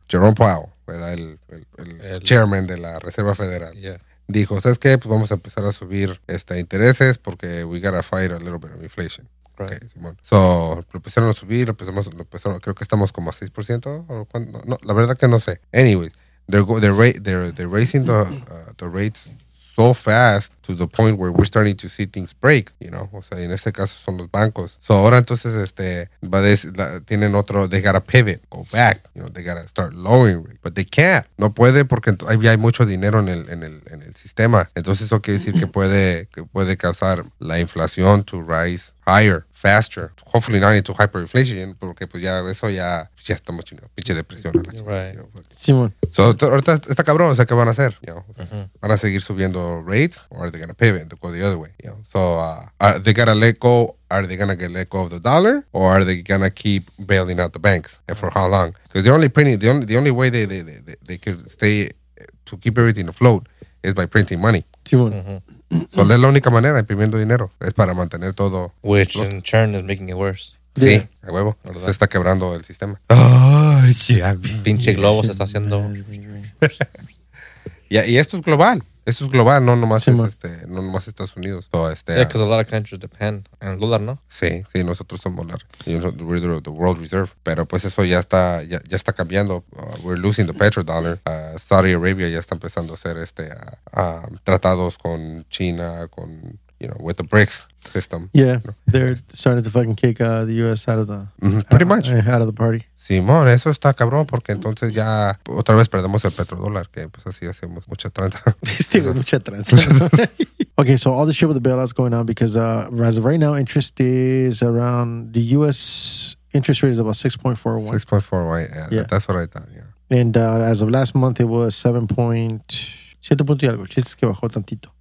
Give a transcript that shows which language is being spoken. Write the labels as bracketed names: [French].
[Spanish] Jerome Powell, ¿verdad? El chairman de la Reserva Federal. [English] Yeah. [Spanish] Dijo, ¿sabes qué? Pues vamos a empezar a subir intereses porque [English] we gotta fight a little bit of inflation. [Spanish] Right. Okay, so, lo empezaron a subir, creo que estamos como a 6%, o cuando, no, la verdad que no sé. [English] Anyways, they're raising the rates so fast to the point where we're starting to see things break, you know. [Spanish] O sea, en este caso son los bancos. [English] So [Spanish] ahora entonces, tienen otro, [English] they gotta pivot, go back, you know, they gotta start lowering rates, but they can't. [Spanish] No puede porque ya hay mucho dinero en el sistema. Entonces eso quiere decir que puede causar la inflación [English] to rise higher, faster. Hopefully not into hyperinflation, [Spanish] porque pues ya eso ya estamos chingados. Pinche depresión. [English] Right. [Spanish] Simón. So ahorita está cabrón, o sea, ¿qué van a hacer? [English] You know? [Spanish] Uh-huh. ¿Van a seguir subiendo rates? [English] Or are they going to pivot and go the other way? You know? So are they going to get let go of the dollar? Or are they going to keep bailing out the banks? And for how long? Because the only way they could stay to keep everything afloat is by printing money. [Spanish] Simón. Uh-huh. So es la única manera, imprimiendo dinero, es para mantener todo. [English] Which in turn is making it worse. [Spanish] Sí, a huevo. ¿Verdad? Se está quebrando el sistema. [English] Oh, yeah. [Spanish] Pinche globo se está haciendo. Yeah, y esto es global. Esto es global, no nomás, sí, es no nomás Estados Unidos. [English] So, because a lot of countries depend on dollar, ¿no? [Spanish] Sí, nosotros somos dólar. [English] We're the world reserve. [Spanish] Pero pues eso ya está cambiando. [English] We're losing the petrodollar. [Spanish] Saudi Arabia ya está empezando a hacer tratados con China, con, [English] you know, with the BRICS system. [Spanish] Yeah, ¿no? [English] They're starting to fucking kick the U.S. out of the out of the party. [Spanish] Simón, eso está cabrón, porque entonces ya otra vez perdemos el petrodólar, que pues así hacemos mucha tranza. Mucha tranza. [English] Okay, so all the shit with the bailouts going on, because as of right now, interest is around, the U.S. interest rate is about 6.41. 6.41, yeah. Yeah. That's what I thought, yeah. And as of last month, it was 7.7 [Spanish] punto y algo. Chistes que bajó tantito.